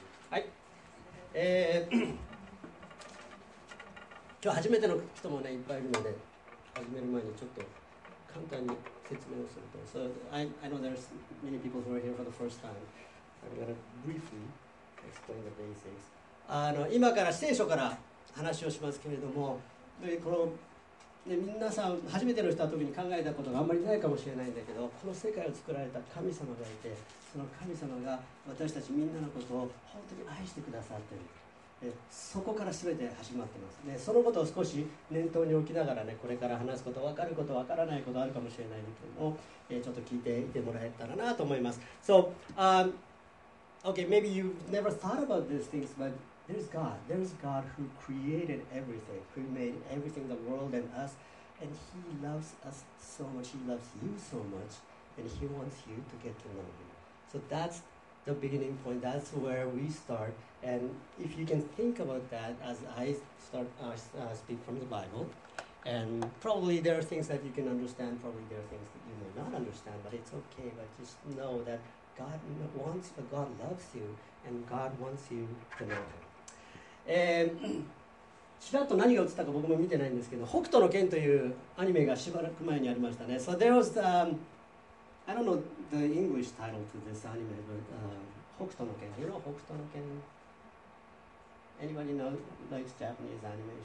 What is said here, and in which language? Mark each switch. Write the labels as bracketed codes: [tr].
[ja] はい、今日初めての人もね、いっぱいいるので、始める前にちょっと簡単に説明をすると。 [en] So, I know there's many people who are here for the first time. I'm going to briefly explain the basics. [ja] 今から聖書から話をしますけれども、ね、皆さん初めての人は特に考えたことがあんまりないかもしれないんだけど、この世界を作られた神様がいて、その神様が私たちみんなのことを本当に愛してくださっている。そこから全て始まっています、ね、そのことを少し念頭に置きながらね、これから話すこと、分かること、分からないことあるかもしれないんだけども、ちょっと聞いていてもらえたらなと思います。 [en] So, okay, maybe you've never thought about these things, butThere's God. There's God who created everything, who made everything, the world and us. And He loves us so much. He loves you so much. And He wants you to get to know Him. So that's the beginning point. That's where we start. And if you can think about that as I start, speak from the Bible, and probably there are things that you can understand, probably there are things that you may not understand, but it's okay. But just know that God wants, but God loves you, and God wants you to know Him. [ja] ちらっと何が映ったか僕も見てないんですけど、北斗の拳というアニメがしばらく前にありましたね。 [en] So there was I don't know the English title to this anime, but 北斗の拳、you know 北斗の拳、 anybody know likes Japanese anime?